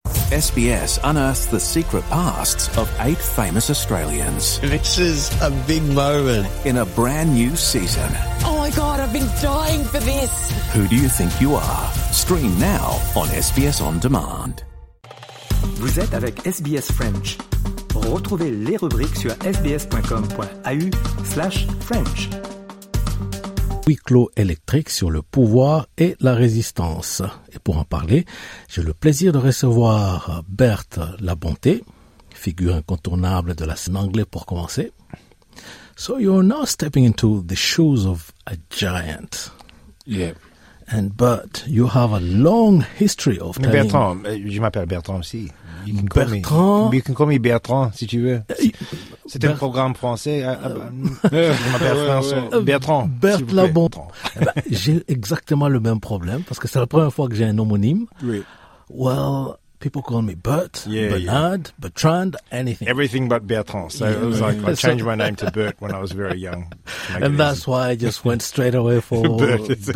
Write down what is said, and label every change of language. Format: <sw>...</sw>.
<en>SBS unearthed the secret pasts of eight famous Australians. This is a big moment. In a brand new season. Oh my God, I've been dying for this. Who do you think you are? Stream now on SBS On Demand.</en> <fr>Vous êtes avec SBS French. Retrouvez les rubriques sur sbs.com.au/French. Huis clos électrique sur le pouvoir et la résistance. Et pour en parler, j'ai le plaisir de recevoir Berthe Labonté, figure incontournable de la scène anglaise pour commencer.</fr> <en>So you're now stepping into the shoes of a giant. Yeah. And but you have a long history of telling.</en> <fr>Bertrand, je m'appelle Bertrand aussi.</fr> <en>You can call me</en> <fr>Bertrand si tu veux. C'est un programme français. Je m'appelle Bertrand. Berthe Labonté. Ben, j'ai exactement le même problème parce que c'est la première fois que j'ai un homonyme. Oui.</fr> <en>Well, people call me Bert, Bernard, Bertrand, anything. Everything but Bertrand. So yeah, it was like I changed my name to Bert when I was very young. And that's why I just went straight away for Bert.</en>